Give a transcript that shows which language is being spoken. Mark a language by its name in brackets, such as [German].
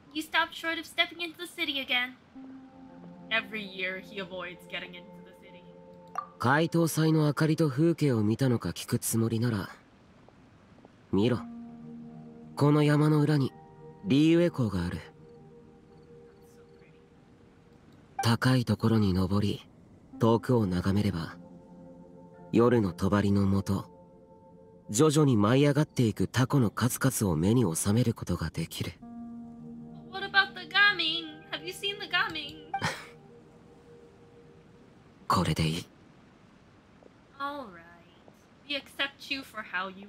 [English] You stopped short of stepping into the city again. Every year he avoids getting into the city. [Japanese] 怪盗祭の明かりと風景を見たのか聞くつもりなら、見ろ。この山の裏にリーウェ港がある。高いところに登り、遠くを眺めれば、夜の帳のもと、徐々に舞い上がっていくタコの数々を目に収めることができる。 [English] What about the gaming? Have you seen the gaming? [Japanese] これでいい。 [English] All right. We accept you for how you are.